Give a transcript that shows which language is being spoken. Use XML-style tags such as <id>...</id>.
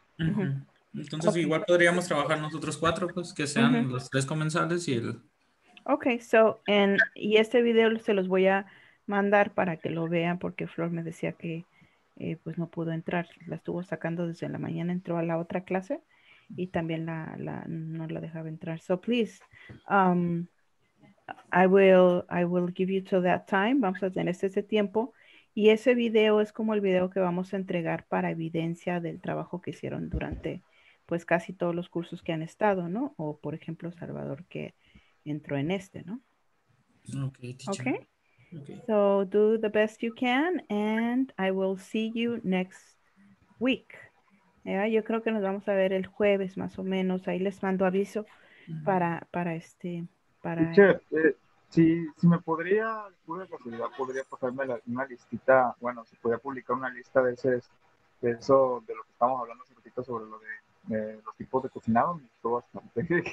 <es>Entonces, okay. Igual podríamos trabajar nosotros cuatro, pues, que sean los tres comensales y el... Okay, so, y este video se los voy a mandar para que lo vean, porque Flor me decía que pues no pudo entrar. La estuvo sacando desde la mañana, entró a la otra clase y también no la dejaba entrar.</es> <en>So, please, I will give you till that time.</en> <es>Vamos a tener ese tiempo. Y ese video es como el video que vamos a entregar para evidencia del trabajo que hicieron durante, pues, casi todos los cursos que han estado, ¿no? O, por ejemplo, Salvador, que... entro en este, ¿no?</es> <en>Okay, teacher. Okay. Okay. So do the best you can and I will see you next week.</en> <es>Yeah, yo creo que nos vamos a ver el jueves más o menos. Ahí les mando aviso para teacher, si me podría, pura casualidad, podría pasarme una listita, bueno, si podría publicar una lista de eso de lo que estamos hablando hace ratito sobre lo de los tipos de cocinado, me gustó bastante.</es>